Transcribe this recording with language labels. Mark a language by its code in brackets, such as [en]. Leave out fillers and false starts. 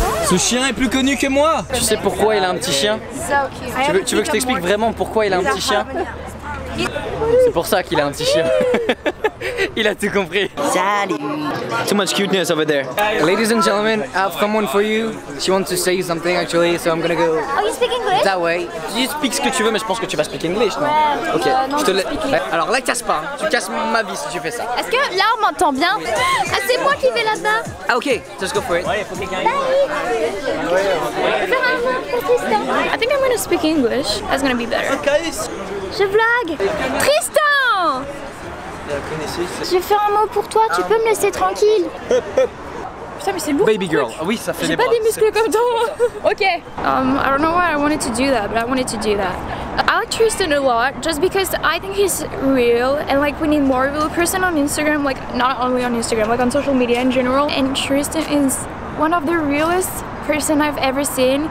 [fr] Ce chien est plus connu que moi. Tu sais pourquoi il a un petit chien? Tu veux que je t'explique vraiment pourquoi il a un petit chien? C'est pour ça qu'il a un petit chien. Il a tout compris. Salut. [en] Too much cuteness over there. Ladies and gentlemen, I have someone for you. She wants to say something actually, so I'm gonna go. Oh, you speak English? That way. [fr] Tu dis speak ce que tu veux, mais je pense que tu vas speak English, non? Ok. Je te laisse. Alors là, casse pas. Tu casses ma vie si tu fais ça. Est-ce que là on m'entend bien? Ah, c'est moi qui vais là-bas. [en] Ah, ok. Just go for it. Bye. I think I'm gonna speak English. That's gonna be better. Okay. [fr] Je blague. Tristan. Je vais faire un mot pour toi, tu peux me laisser tranquille. Putain, mais c'est lourd. [en] Baby girl. [fr] Oui, ça fait j'ai pas des muscles comme toi. Ok. [en] I don't know why I wanted to do that, but I wanted to do that. I like Tristan a lot, just because I think he's real, and like we need more real person on Instagram, like not only on Instagram, like on social media in general. And Tristan is one of the realest person I've ever seen.